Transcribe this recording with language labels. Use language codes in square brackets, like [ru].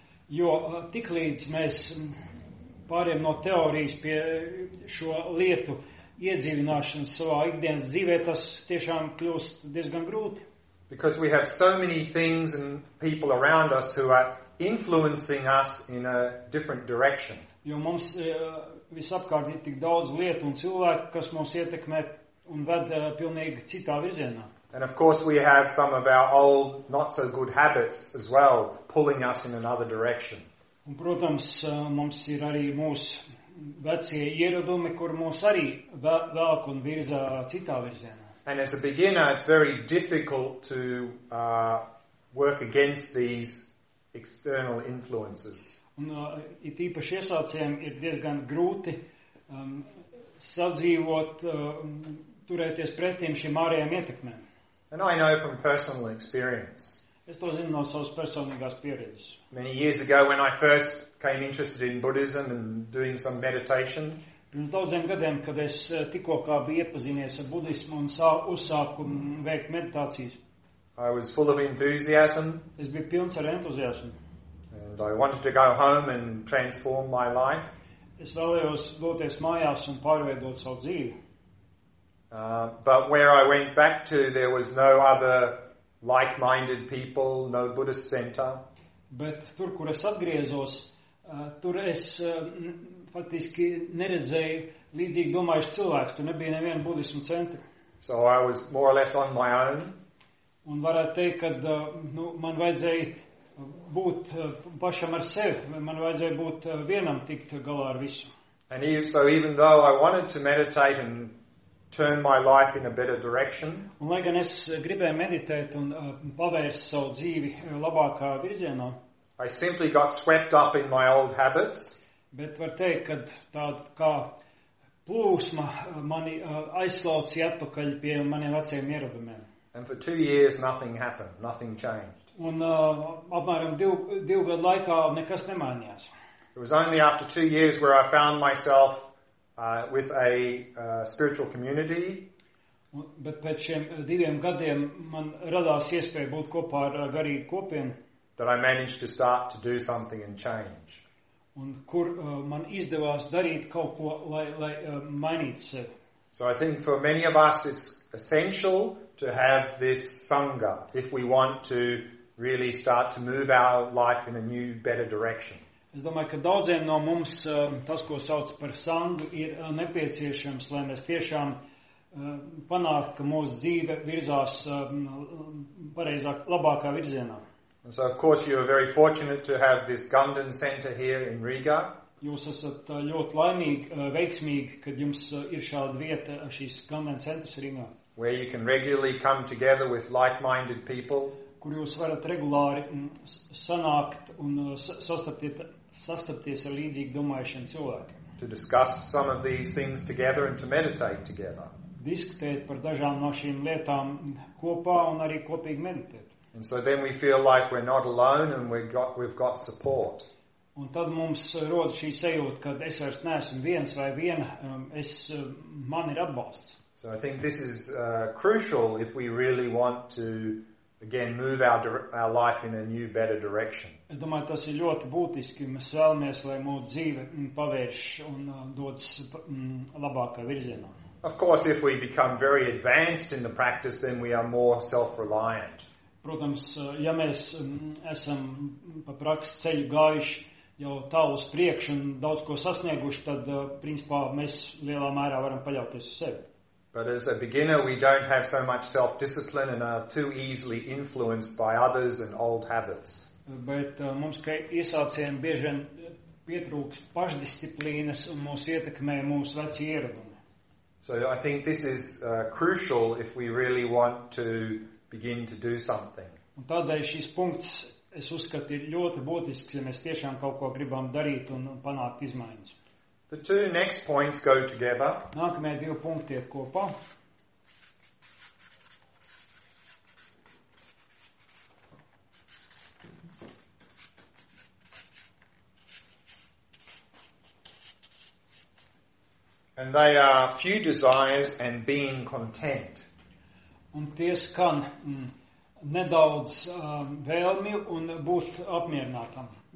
[lv] Jo tiklīdz mēs pāriem no teorijas pie šo lietu iedzīvināšanas savā ikdienas dzīvē, tas tiešām kļūst diezgan grūti. [en] Because we have so many things and people around us who are influencing us in a different direction. [lv] Jo mums visapkārt ir tik daudz lietu un cilvēku, kas mums ietekmē un ved pilnīgi citā virzienā. [en] And of course we have some of our old not so good habits as well pulling us in another direction. [lv] Un, protams, mums ir arī mūsu vecie ieradumi, kur mūs arī velk un virza citā virzienā. [en] And as a beginner it's very difficult to work against these external influences. [lv] Un it īpaši iesācējiem ir diezgan grūti sadzīvot turēties pretim šim ārējiem ietekmēm. [en] And I know from personal experience. [lv] Es to zinu no savas personīgās pieredzes. [en] Many years ago when I first came interested in Buddhism and doing some meditation. [lv] Pirms daudziem gadiem, kad es tikko biju iepazinies ar budismu un uzsāku veikt meditācijas. [en] I was full of enthusiasm. [lv] Es biju pilns ar entuziasmu. [en] And I wanted to go home and transform my life. [lv] Es vēlējos doties mājās un pārveidot savu dzīvi. [en] But where I went back to, there was no other like-minded people, no Buddhist center. [lv] Bet tur, kur es atgriezos, tur es faktiski neredzēju līdzīgi domājuši cilvēks, tur nebija nevienu budismu centru. [en] So I was more or less on my own. [lv] Un varētu teikt, ka man vajadzēja būt pašam ar sevi, man vajadzēja būt vienam tikt galā ar visu. [en] And so even though I wanted to meditate and turn my life in a better direction. [lv] Un, lai gan es gribēju meditēt un pavērst savu dzīvi labākā virzienā. [en] I simply got swept up in my old habits. [lv] Bet var teikt, kad tāda kā plūsma mani aizslaucīja atpakaļ pie maniem vecajiem ieradumiem. [en] And for 2 years nothing happened, nothing changed. [lv] Un apmēram divu gadu laikā nekas nemainījās. [en] It was only after 2 years where I found myself with a spiritual community. [lv] Bet pēc šiem diviem gadiem man radās iespēja būt kopā ar garīgu kopienu. [en] That I managed to start to do something and change. [lv] Un kur man izdevās darīt kaut ko, lai mainītu sevi. [en] So I think for many of us it's essential to have this sangha if we want to really start to move our life in a new, better direction. [lv] Es domāju, ka daudziem no mums tas, ko sauc par sangu, ir nepieciešams, lai mēs tiešām panākt, ka mūsu dzīve virzās pareizāk, labākā virzienā. [en] And so, of course, you are very fortunate to have this Gundan Center here in Riga. [lv] Jūs esat ļoti laimīgi, veiksmīgi, kad jums ir šāda vieta, šīs Gundan centrs Rīgā. [en] Where you can regularly come together with like-minded people. [lv] Kur jūs varat regulāri sanākt un sastapties ar līdzīgi domājušiem cilvēkiem. [en] To discuss some of these things together and to meditate together. [lv] Diskutēt par dažām no šīm lietām kopā un arī kopīgi meditēt. [en] And so then we feel like we're not alone and we've got support. [lv] Un tad mums rodas šī sajūta, kad es vairs neesmu viens vai viena, man ir atbalsts. [en] So I think this is crucial if we really want to again move our life in a new better direction. [lv] Es domāju, tas ir ļoti būtiski, mēs vēlamies, lai mūsu dzīve pavērš un dodas labākā virzienā. [en] Of course, if we become very advanced in the practice, then we are more self-reliant. [lv] Protams, ja mēs esam pa praksi ceļu gājuši jau tālu uz priekšu un daudz ko sasnieguši, tad principā mēs lielā mērā varam paļauties uz sevi. [en] But as a beginner, we don't have so much self-discipline and are too easily influenced by others and old habits. [lv] Bet mums, kā iesācējiem, bieži vien pietrūkst pašdisciplīnas un mūs ietekmē mūsu veci ieradumi. [en] So I think this is crucial if we really want to begin to do something. [lv] Un tādēļ šis punkts, es uzskatu, ir ļoti būtisks, ja mēs tiešām kaut ko gribam darīt un panākt izmaiņas. [en] The two next points go together. [lv] Nākamie divi punkti iet kopā. [en] And they are few desires and being content. [lv] Un tie skan nedaudz vēlmi un būt apmierinātam.